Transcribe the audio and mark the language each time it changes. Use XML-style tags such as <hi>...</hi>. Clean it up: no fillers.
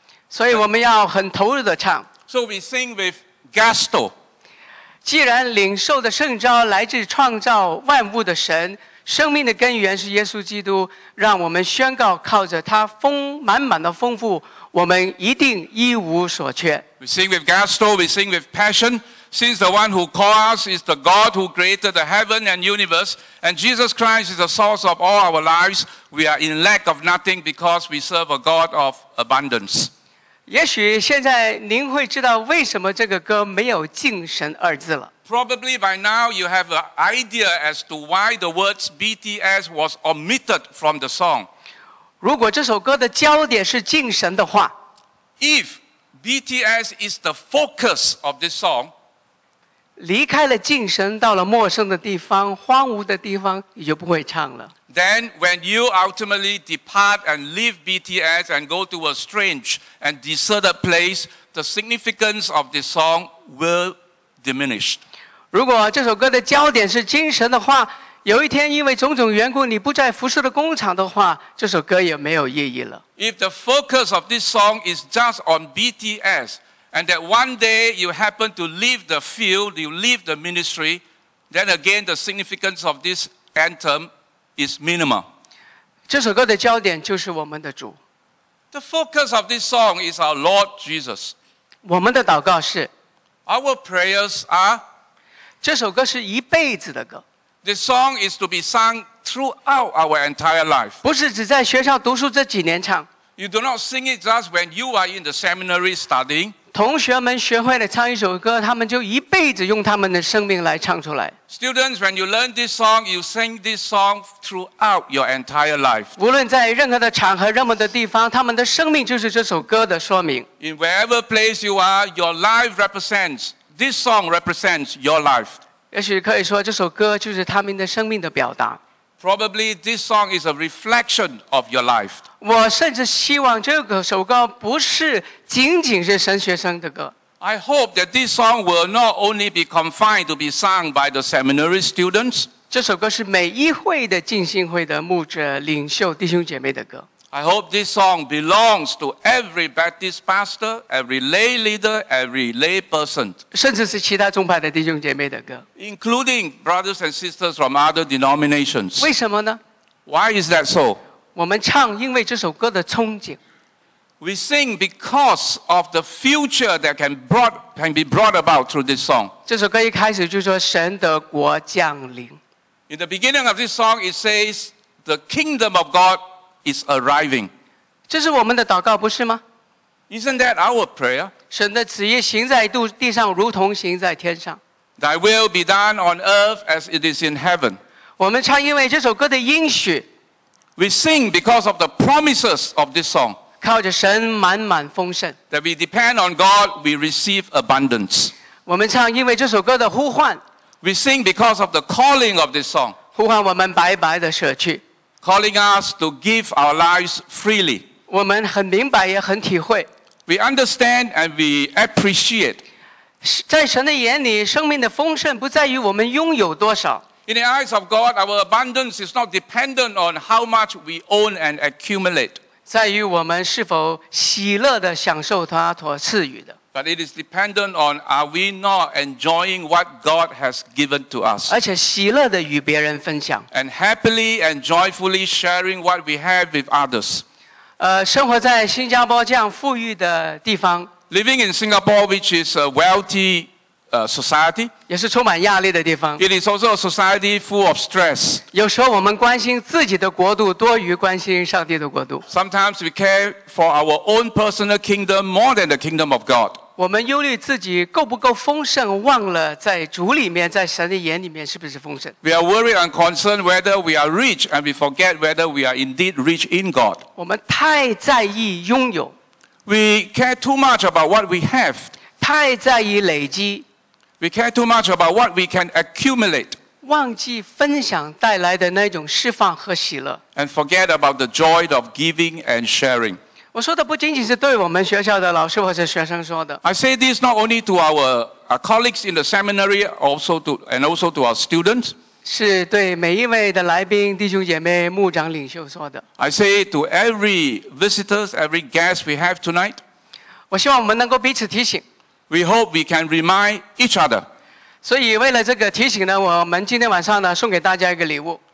<zh>所以我们要很投入的唱。</zh> <en>So we sing with gusto.</en> <zh>既然领受的圣召来自创造万物的神，生命的根源是耶稣基督，让我们宣告靠着他满满的丰富，我们一定一无所缺。</zh> <en>We sing with gusto, we sing with passion, Since the one who called us is the God who created the heaven and universe, and Jesus Christ is the source of all our lives, we are in lack of nothing because we serve a God of abundance.</en> <zh>也许现在您会知道为什么这个歌没有敬神二字了。</zh> <en>Probably by now you have an idea as to why the words BTS was omitted from the song.</en> <zh>如果这首歌的焦点是敬神的话，</zh> <en>If BTS is the focus of this song,</en> <zh>离开了敬神，到了陌生的地方，荒芜的地方，你就不会唱了。</zh> <en>Then when you ultimately depart and leave BTS and go to a strange and deserted place, the significance of this song will diminish.</en> <zh>如果这首歌的焦点是精神的话，有一天因为种种缘故你不在服侍的工厂的话，这首歌也没有意义了。</zh> <en>If the focus of this song is just on BTS, and that one day you happen to leave the field, you leave the ministry, then again the significance of this anthem is minimal.</en> <zh>这首歌的焦点就是我们的主。</zh> <en>The focus of this song is our Lord Jesus.</en> <zh>我们的祷告是。</zh> <en>Our prayers are.</en> <zh>这首歌是一辈子的歌。</zh> <en>This song is to be sung throughout our entire life.</en> <zh>不是只在学校读书这几年唱。</zh> <en>You do not sing it just when you are in the seminary studying.</en> <zh>同学们学会了唱一首歌，他们就一辈子用他们的生命来唱出来。</zh> <en>Students, when you learn this song, you sing this song throughout your entire life.</en> <zh>无论在任何的场合、任何的地方，他们的生命就是这首歌的说明。</zh> <en>In wherever place you are, your life represents, this song represents your life.</en> <zh>也许可以说这首歌就是他们的生命的表达。</zh> <en>Probably this song is a reflection of your life.</en> <zh>我甚至希望这首歌不是仅仅是神学生的歌。</zh> <en>I hope that this song will not only be confined to be sung by the seminary students.</en> <zh>这首歌是每一会的浸信会的牧者、领袖、弟兄姐妹的歌。</zh> <en>I hope this song belongs to every Baptist pastor, every lay leader, every lay person.</en> <zh>甚至是其他宗派的弟兄姐妹的歌。</zh> <en>Including brothers and sisters from other denominations.</en> <zh>为什么呢？</zh> <en>Why is that so?</en> <zh>我们唱因为这首歌的憧憬。</zh> <en>We sing because of the future that can be brought about through this song.</en> <zh>这首歌一开始就说神的国降临。</zh> <en>In the beginning of this song, it says the kingdom of God is arriving.</en> <zh>这是我们的祷告，不是吗？</zh> <en>Isn't that our prayer?</en> <zh>神的旨意行在地上，如同行在天上。</zh> <en>Thy will be done on earth as it is in heaven.</en> <zh>我们唱因为这首歌的应许。</zh> <en>We sing because of the promises of this song.</en> <zh>靠着神满满丰盛。</zh> <en>That we depend on God, we receive abundance.</en> <zh>我们唱因为这首歌的呼唤。</zh> <en>We sing because of the calling of this song.</en> <zh>呼唤我们白白的舍去。</zh> <en>Calling us to give our lives freely.</en> <zh>我们很明白也很体会。</zh> <en>We understand and we appreciate.</en> <zh>在神的眼里，生命的丰盛不在于我们拥有多少。</zh> <en>In the eyes of God, our abundance is not dependent on how much we own and accumulate.</en> <zh>在于我们是否喜乐地享受他所赐予的。</zh> <en>But it is dependent on are we not enjoying what God has given to us?</en> <zh>而且喜乐地与别人分享。</zh> <en>And happily and joyfully sharing what we have with others.</en> <zh>生活在新加坡这样富裕的地方。</zh> <en>Living in Singapore, which is a wealthy society.</en> <zh>也是充满压力的地方。</zh> <en>It is also a society full of stress.</en> <zh>有时候我们关心自己的国度多于关心上帝的国度。</zh> <en>Sometimes we care for our own personal kingdom more than the kingdom of God.</en> <zh>我们忧虑自己够不够丰盛，忘了在主里面，在神的眼里面是不是丰盛。</zh> <en>We are worried and concerned whether we are rich and we forget whether we are indeed rich in God.</en> <zh>我们太在意拥有。</zh> <en>We care too much about what we have.</en> <zh>太在意累积。</zh> <en>We care too much about what we can accumulate.</en> <zh>忘记分享带来的那种释放和喜乐。</zh> <en>And forget about the joy of giving and sharing.</en> <zh>我说的不仅仅是对我们学校的老师或者学生说的。</zh> <en>I say this not only to our colleagues in the seminary, also to our students.</en> <zh>是对每一位的来宾、弟兄姐妹、牧长、领袖说的。</zh> <en>I say to every visitors, every guest we have tonight.</en> <zh>我希望我们能够彼此提醒。</zh> <en>We hope we can remind each other.</en> <zh>所以为了这个提醒呢，我们今天晚上呢送给大家一个礼物。</zh>